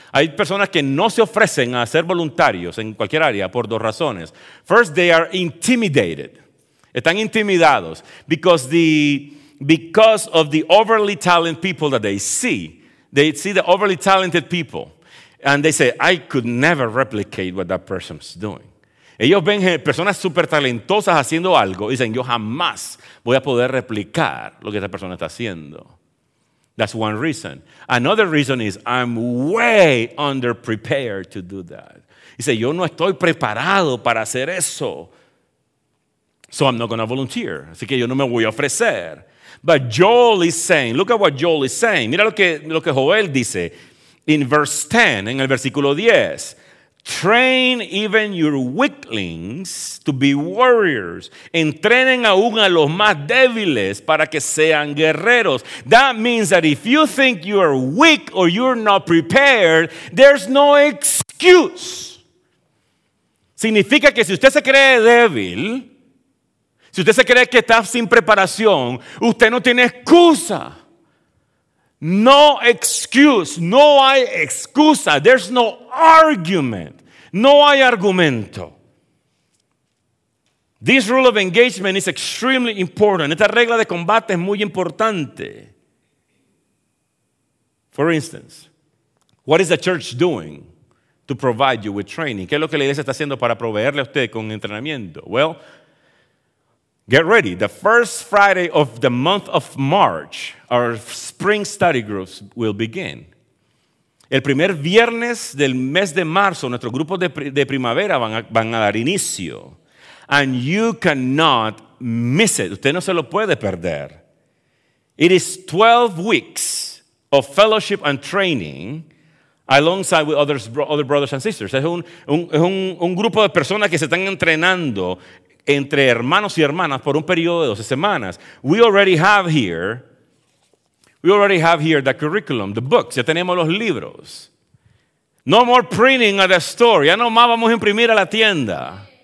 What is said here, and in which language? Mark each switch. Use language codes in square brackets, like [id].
[es] Hay personas que no se ofrecen a ser voluntarios en cualquier área por 2 razones. [en] First, they are intimidated. [es] Están intimidados [en] because of the overly talented people that they see. They see the overly talented people and they say, I could never replicate what that person's doing. [es] Ellos ven personas súper talentosas haciendo algo y dicen, yo jamás voy a poder replicar lo que esa persona está haciendo. [en] That's one reason. Another reason is I'm way underprepared to do that. [es] Dice, yo no estoy preparado para hacer eso. [en] So I'm not going to volunteer. [es] Así que yo no me voy a ofrecer. [en] But Joel is saying, look at what Joel is saying. [es] Mira lo que Joel dice [en] in verse 10, [es] en el versículo 10. [en] Train even your weaklings to be warriors. [es] Entrenen aún a los más débiles para que sean guerreros. [en] That means that if you think you are weak or you're not prepared, there's no excuse. [es] Significa que si usted se cree débil, si usted se cree que está sin preparación, usted no tiene excusa. [en] No excuse. [es] No hay excusa. [en] There's no argument. [es] No hay argumento. [en] This rule of engagement is extremely important. [es] Esta regla de combate es muy importante. [en] For instance, what is the church doing to provide you with training? [es] ¿Qué es lo que la iglesia está haciendo para proveerle a usted con entrenamiento? [en] Well, get ready. The first Friday of the month of March, our spring study groups will begin. [es] El primer viernes del mes de marzo, nuestros grupos de primavera van a dar inicio. [en] And you cannot miss it. [es] Usted no se lo puede perder. [en] It is 12 weeks of fellowship and training alongside with other brothers and sisters. [es] Es un grupo de personas que se están entrenando entre hermanos y hermanas por un periodo de 12 semanas. [en] We already have here the curriculum, the books. [es] Ya tenemos los libros. [en] No more printing at the store. [es] Ya no más vamos a imprimir a la tienda.